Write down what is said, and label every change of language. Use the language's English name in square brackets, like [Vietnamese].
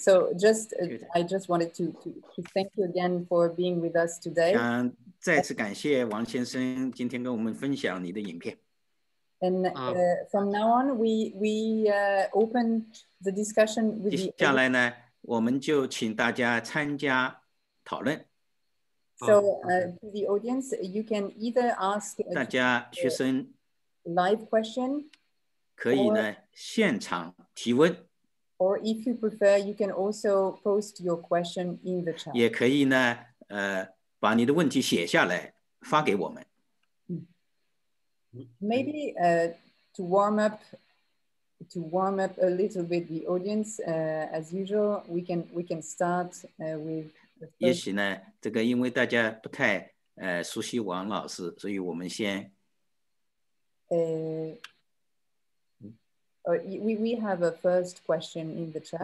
[English] So, I just wanted to thank you again for being with us today. [Chinese] 嗯，再次感谢王先生今天跟我们分享你的影片。 [English] And from now on, we open the discussion with. [Chinese] 接下来呢，我们就请大家参加讨论。 [English] So, to the audience, you can either ask a live question, [Chinese] 可以呢现场提问 [English] or if you prefer, you can also post your question in the chat. [Chinese] 也可以呢，把你的问题写下来发给我们。 [English] Maybe to warm up a little bit the audience, as usual, we can start with. [Chinese] 也许呢，这个因为大家不太熟悉王老师，所以我们先。 [English] We have a first question in the chat.